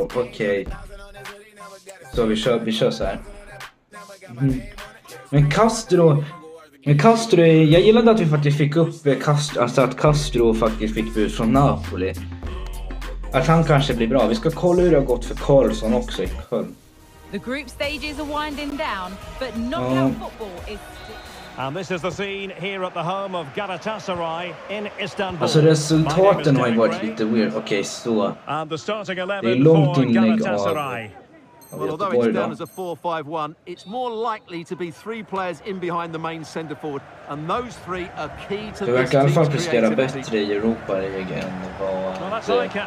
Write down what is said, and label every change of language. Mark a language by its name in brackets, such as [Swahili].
[Swedish] Okej. Okay. Så vi kör så här. Men Castro. Men Castro, jag gillade att vi faktiskt fick upp Castro, alltså att Castro faktiskt fick bud från Napoli. Att han kanske blir bra. Vi ska kolla hur det har gått för Karlsson också i Köln. [English] The group stages are winding down, but knockout football is. And this is the scene here at the home of Galatasaray in Istanbul. [Swedish] Alltså resultaten har ju varit lite weird. Okej, okay, så. [English] And the starting 11 [Swedish] det är långt in i Galatasaray. [English] Well, although it's down as a 4-5-1, it's more likely to be three players in behind the main center forward, and those three are key to the team's creativity. [Swedish] Det verkar i alla fall bättre i Europa League än vad...